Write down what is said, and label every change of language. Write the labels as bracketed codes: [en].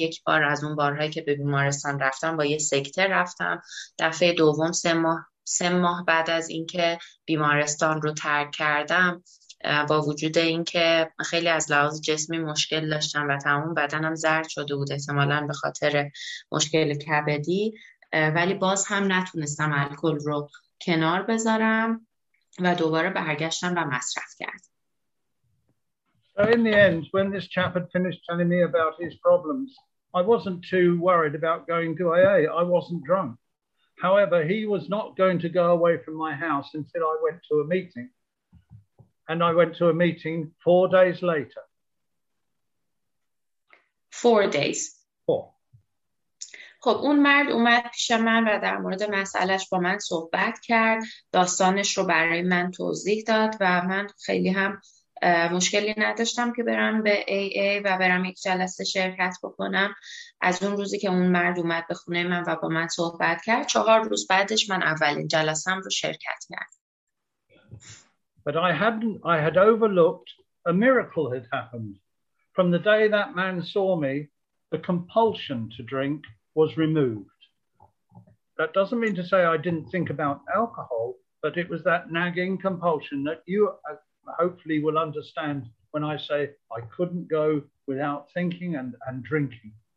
[fa] یک بار از اون بارهایی که به بیمارستان رفتم با یه سکته رفتم، دفعه دوم سه ماه بعد از اینکه بیمارستان رو ترک کردم، با وجود اینکه خیلی از لحاظ جسمی مشکل داشتم و تمام بدنم زرد شده بود احتمالاً به خاطر مشکل کبدی، ولی باز هم نتونستم الکل رو کنار بذارم و دوباره برگشتم و مصرف کردم. [en] So in the end, when this chap had finished telling me about his problems, I wasn't too worried about going to AA. I wasn't drunk. However, he was not going to go away from my house until I went to a meeting. And I went to a meeting 4 days later. 4 days. [fa] خب اون مرد اومد پیش من و در مورد مسئلهش با من صحبت کرد، داستانش رو برای من توضیح داد و من خیلی هم مشکلی نداشتم که برم به AA و برم یک جلسه شرکت بکنم. از اون روزی که اون مرد اومد به خونه من و با من صحبت کرد، 4 روز بعدش من اولین جلسم رو شرکت کردم. [en] But I had overlooked a miracle had happened. From the day that man saw me, the compulsion to drink was removed. That doesn't mean to say I didn't think about alcohol, but it was that nagging compulsion that you hopefully will understand when I say I couldn't go without thinking and drinking.